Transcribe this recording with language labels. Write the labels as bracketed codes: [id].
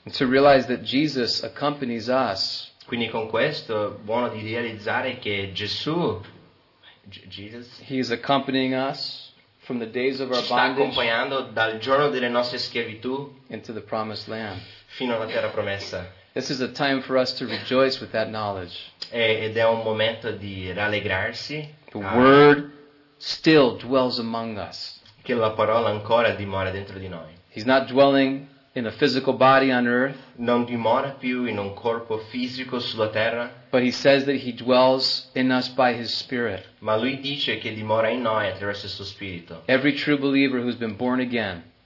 [en] And to realize that Jesus accompanies us. [it] Quindi con questo buono di realizzare che Gesù, Jesus, [en] He is accompanying us from the days of our bondage, [it] ci sta accompagnando dal giorno delle nostre schiavitù [en] into the promised land, [it] fino alla terra promessa. [en] This is a time for us to rejoice with that knowledge. [it] Ed è un momento di rallegrarsi. [en] The word still dwells among us. [it] Che la parola ancora dimora dentro di noi. [en] He's not dwelling in a physical body on earth, [it] non dimora più in un corpo fisico sulla terra, [en] but he says that he dwells in us by his spirit. [it] Ma lui dice che dimora in noi attraverso il suo spirito. [en] Every true believer who's been born again,